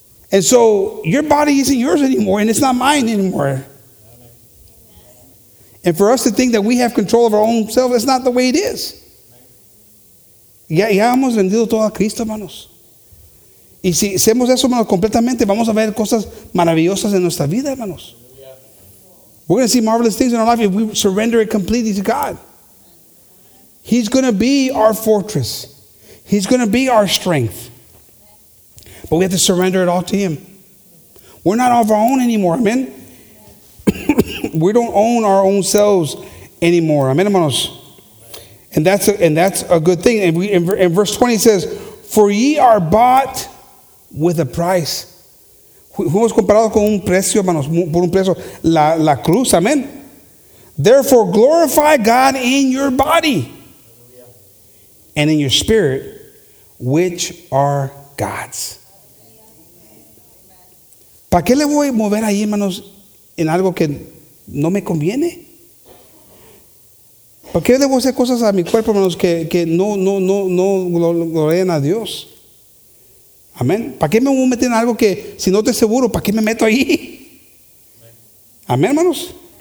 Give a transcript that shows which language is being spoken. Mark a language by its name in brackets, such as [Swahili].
[English] And so, your body isn't yours anymore, and it's not mine anymore. And for us to think that we have control of our own self, that's not the way it is. [Spanish] Ya hemos vendido todo a Cristo, hermanos. Y si hacemos eso, hermanos, completamente, vamos a ver cosas maravillosas en nuestra vida, hermanos. [English] We're going to see marvelous things in our life if we surrender it completely to God. He's going to be our fortress. He's going to be our strength. But we have to surrender it all to him. We're not of our own anymore. Amen. We don't own our own selves anymore. Amen, hermanos. And that's a good thing. And in verse 20 says, "For ye are bought with a price." [Spanish] Fuimos comparados con un precio, hermanos, por un precio, la cruz. Amen. [English] "Therefore glorify God in your body and in your spirit, which are God's." [Spanish] ¿Para qué le voy a mover ahí, hermanos, en algo que no me conviene? ¿Para qué le voy a hacer cosas a mi cuerpo, hermanos, que no glorien a Dios? Amén. ¿Para qué me voy a meter en algo que, si no estoy seguro, ¿para qué me meto ahí? Amén, hermanos.